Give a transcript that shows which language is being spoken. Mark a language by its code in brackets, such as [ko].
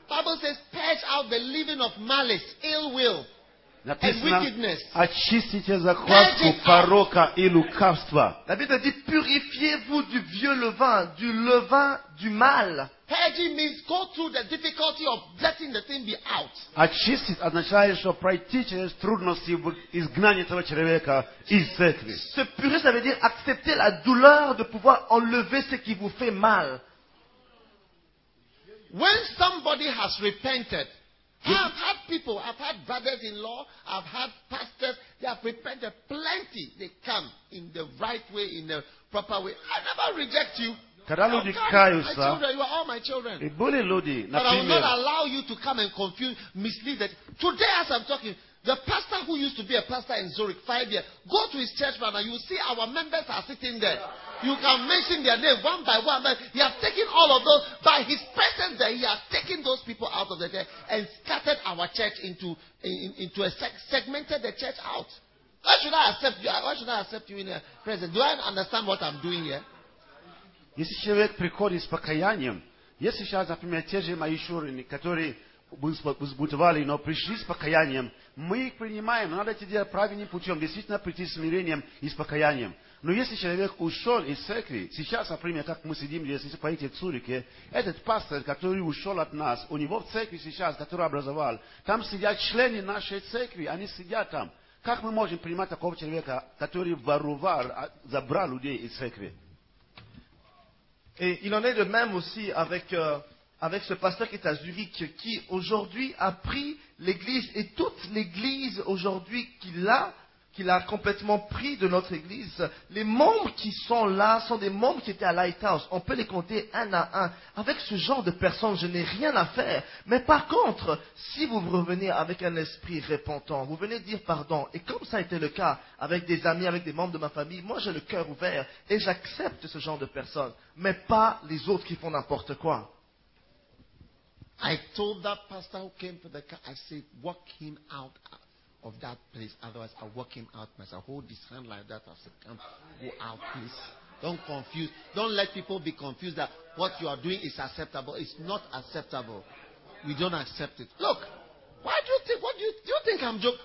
[en] Bible says, purge out the living of malice, ill will, [ru] написано, [en] and wickedness. [ru] Очистите закваску порока и лукавства. [fr] La Bible dit, purifiez-vous du vieux levain, du levain du mal. [en] Purging means go through the difficulty of letting the thing be out. [ru] Очистить означает, что пройти через трудности в изгнании этого человека из церкви. [fr] Se purer, ça veut dire accepter la douleur de pouvoir enlever ce qui vous fait mal. [en] When somebody has repented, I've had brothers-in-law, I've had pastors, they have repented plenty. They come in the right way, in the proper way. I never reject you. [ru] Когда люди каются, [en] you are all my children. [ru] И были люди, например, [en] but I will not allow you to come and confuse, mislead that. Today, as I'm talking, the pastor who used to be a pastor in Zurich 5 years, go to his church, brother, you see our members are sitting there. You can mention their name one by one, but he has taken all of those by his presence there. He has taken those people out of the church and scattered our church into a segmented the church out. Why should I accept you? Why should I accept you in a presence? Do I understand what I'm doing here? [ru] Если человек приходит с покаянием, если сейчас, например, те же мои шурины, которые возбудовали, но пришли с покаянием, мы их принимаем, но надо это делать правильным путем, действительно прийти с смирением и с покаянием. Но если человек ушел из церкви, сейчас, например, как мы сидим здесь, если поедете в Цюрике, этот пастор, который ушел от нас, у него в церкви сейчас, который образовал, там сидят члены нашей церкви, они сидят там. Как мы можем принимать такого человека, который воровал, забрал людей из церкви? [fr] Et il en est de même aussi avec, avec ce pasteur qui est à Zurich, qui aujourd'hui a pris l'église, et toute l'église aujourd'hui qu'il a complètement pris de notre église. Les membres qui sont là sont des membres qui étaient à Lighthouse. On peut les compter un à un. Avec ce genre de personnes, je n'ai rien à faire. Mais par contre, si vous revenez avec un esprit repentant, vous venez dire pardon, et comme ça a été le cas avec des amis, avec des membres de ma famille, moi j'ai le cœur ouvert et j'accepte ce genre de personnes, mais pas les autres qui font n'importe quoi. [en] I told that pastor who came to the car, I said, walk him out of that place. Otherwise, I'll walk him out myself. Hold his hand like that. I said, come, go out, please. Don't confuse. Don't let people be confused that what you are doing is acceptable. It's not acceptable. We don't accept it. Look, why do you think, do you think I'm joking?